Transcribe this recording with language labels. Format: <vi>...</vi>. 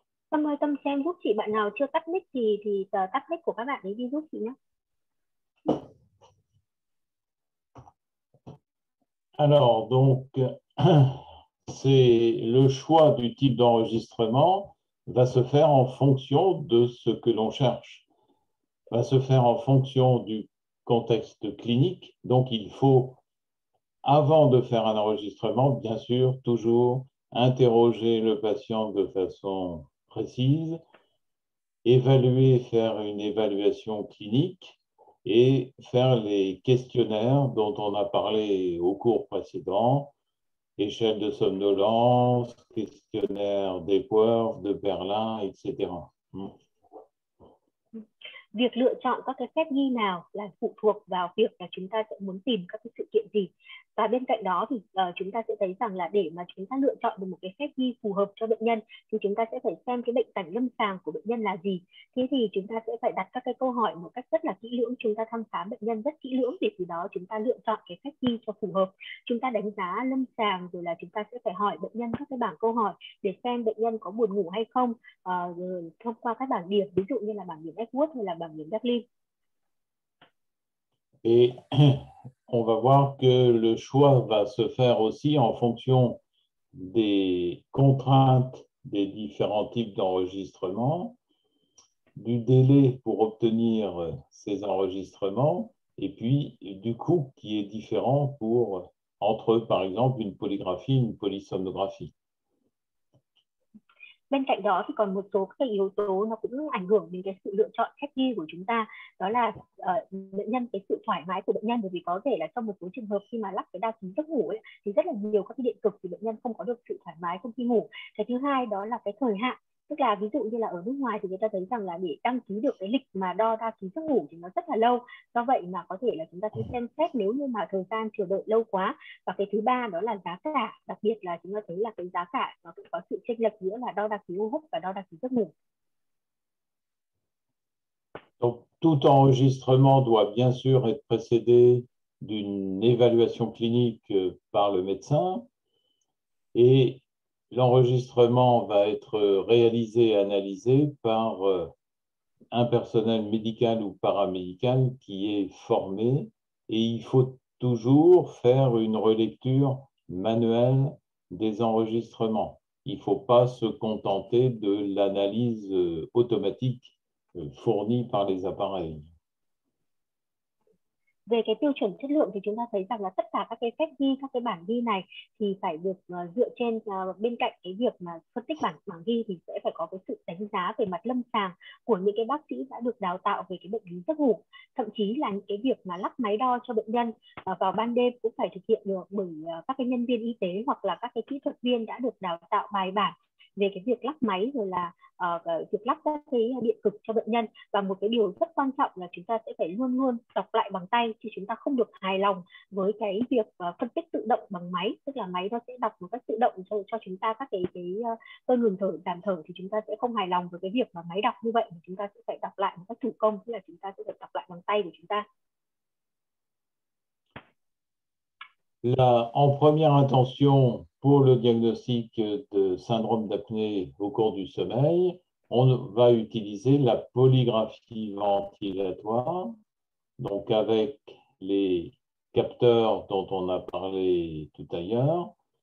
<vi>Tâm ơi, Tâm xem giúp chị bạn nào chưa tắt mic gì thì tắt mic của các bạn ấy đi giúp chị nhé.</vi> <fr>Alors, donc, c'est le choix du type d'enregistrement va se faire en fonction de ce que l'on cherche, va se faire en fonction du contexte clinique. Donc, il faut, avant de faire un enregistrement, bien sûr, toujours interroger le patient de façon précise, évaluer, faire une évaluation clinique et faire les questionnaires dont on a parlé au cours précédent, échelle de somnolence, questionnaire d'Epworth, de Berlin, etc.</fr> <vi>Việc lựa chọn các cái phép ghi nào là phụ thuộc vào việc là chúng ta sẽ muốn tìm các cái sự kiện gì. Và bên cạnh đó thì chúng ta sẽ thấy rằng là để mà chúng ta lựa chọn được một cái phép ghi phù hợp cho bệnh nhân thì chúng ta sẽ phải xem cái bệnh cảnh lâm sàng của bệnh nhân là gì. Thế thì chúng ta sẽ phải đặt các cái câu hỏi một cách rất là kỹ lưỡng, chúng ta thăm khám bệnh nhân rất kỹ lưỡng để từ đó chúng ta lựa chọn cái phép ghi cho phù hợp. Chúng ta đánh giá lâm sàng rồi là chúng ta sẽ phải hỏi bệnh nhân các cái bảng câu hỏi để xem bệnh nhân có buồn ngủ hay không, thông qua các bảng điểm, ví dụ như là bảng điểm Epworth hay là bảng điểm Berlin.</vi> <fr>Et on va voir que le choix va se faire aussi en fonction des contraintes des différents types d'enregistrement, du délai pour obtenir ces enregistrements, et puis du coût qui est différent pour entre, par exemple, une polygraphie, une polysomnographie.</fr> <vi>Bên cạnh đó thì còn một số các yếu tố nó cũng ảnh hưởng đến cái sự lựa chọn phép ghi của chúng ta, đó là bệnh nhân, cái sự thoải mái của bệnh nhân, bởi vì có thể là trong một số trường hợp khi mà lắp cái đa ký giấc ngủ ấy, thì rất là nhiều các cái điện cực thì bệnh nhân không có được sự thoải mái trong khi ngủ. Cái thứ hai đó là cái thời hạn, tức là ví dụ như là ở nước ngoài thì người ta thấy rằng là để đăng ký được cái lịch mà đo đa ký giấc ngủ thì nó rất là lâu, do vậy mà có thể là chúng ta sẽ xem xét nếu như mà thời gian chờ đợi lâu quá. Và cái thứ ba đó là giá cả, đặc biệt là chúng ta thấy là cái giá cả nó cũng có sự chênh lệch giữa là đo đa ký hô hấp và đo đa ký giấc ngủ.</vi> <fr>Donc tout enregistrement doit bien sûr être précédé d'une évaluation clinique par le médecin et l'enregistrement va être réalisé et analysé par un personnel médical ou paramédical qui est formé et il faut toujours faire une relecture manuelle des enregistrements. Il ne faut pas se contenter de l'analyse automatique fournie par les appareils.</fr> <vi>Về cái tiêu chuẩn chất lượng thì chúng ta thấy rằng là tất cả các cái phép ghi, các cái bảng ghi này thì phải được dựa trên bên cạnh cái việc mà phân tích bảng ghi thì sẽ phải có cái sự đánh giá về mặt lâm sàng của những cái bác sĩ đã được đào tạo về cái bệnh lý giấc ngủ. Thậm chí là những cái việc mà lắp máy đo cho bệnh nhân vào ban đêm cũng phải thực hiện được bởi các cái nhân viên y tế hoặc là các cái kỹ thuật viên đã được đào tạo bài bản về cái việc lắp máy rồi là việc lắp các cái điện cực cho bệnh nhân. Và một cái điều rất quan trọng là chúng ta sẽ phải luôn luôn đọc lại bằng tay, chứ chúng ta không được hài lòng với cái việc phân tích tự động bằng máy, tức là máy nó sẽ đọc một cách tự động cho chúng ta các cái cơn ngừng thở, giảm thở, thì chúng ta sẽ không hài lòng với cái việc mà máy đọc như vậy, mà chúng ta sẽ phải đọc lại một cách thủ công, tức là chúng ta sẽ phải đọc lại bằng tay của chúng ta.</vi> <fr>Là en première intention pour le diagnostic de syndrome d'apnée au cours du sommeil, on va utiliser la polygraphie ventilatoire, donc avec les capteurs dont on a parlé tout à l'heure.</fr>